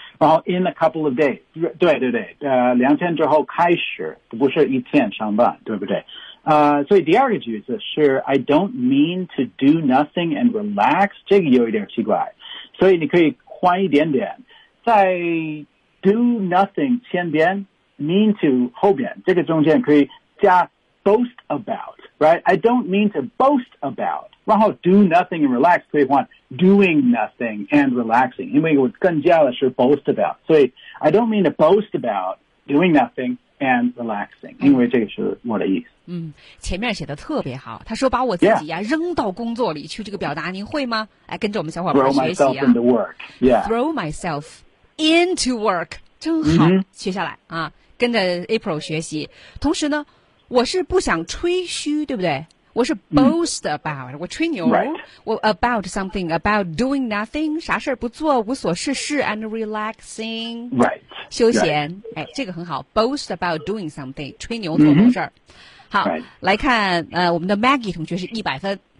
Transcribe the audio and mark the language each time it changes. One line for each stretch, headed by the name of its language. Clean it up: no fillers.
Chinese: 然后
English: in a couple of days,
Chinese: 对对对、两天之后开始不是一天上班对不对所以第二个句子是
English: I don't mean to do nothing and relax
Chinese: 这个有一点奇怪所以你可以换一点点在 do nothing 前边 mean to 后边这个中间可以加
English: boast about right? I don't mean to boast about
Chinese: 然后
English: do nothing and relax 可以换 doing nothing and relaxing
Chinese: 因为我更加的是
English: boast about 所以 I don't mean to boast about doing nothingand relaxing,
Chinese: 因为这个是我的意思。嗯，前面写的特别好，他说把我自己啊、
English: yeah.
Chinese: 扔到工作里去，这个表达您会吗？来跟着我们小伙伴学习啊。
English: Throw myself into work, yeah. Throw myself into work,
Chinese: 真好、 mm-hmm. 学下来啊，跟着 April 学习。同时呢，我是不想吹嘘，对不对？我是
English: boast about、 mm.
Chinese: 我吹牛、
English: right.
Chinese: 我
English: about something about doing nothing
Chinese: 啥事不做无所事事
English: and relaxing、 right.
Chinese: 休闲、
English: right.
Chinese: 哎，这个很好
English: boast about doing something
Chinese: 吹牛做某事、 mm-hmm. 好、
English: right.
Chinese: 来看我们的 Maggie 同学是100分